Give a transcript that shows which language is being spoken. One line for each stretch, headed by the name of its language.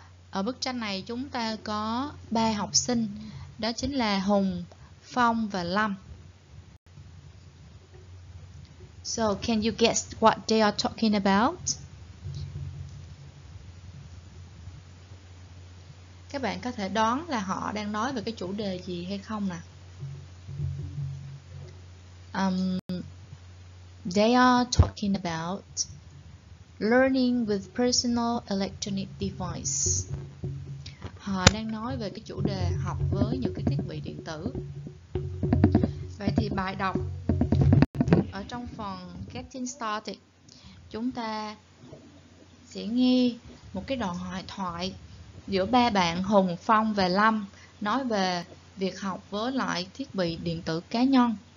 Vietnamese: Ở bức tranh này chúng ta có ba học sinh, đó chính là Hùng, Phong và Lâm.
English: So, can you guess what they are talking about?
Vietnamese: Các bạn có thể đoán là họ đang nói về cái chủ đề gì hay không nè.
English: They are talking about learning with personal electronic device.
Vietnamese: Họ đang nói về cái chủ đề học với những cái thiết bị điện tử. Vậy thì bài đọc ở trong phần Getting Started, chúng ta sẽ nghe một cái đoạn hội thoại giữa ba bạn Hùng, Phong và Lâm nói về việc học với lại thiết bị điện tử cá nhân.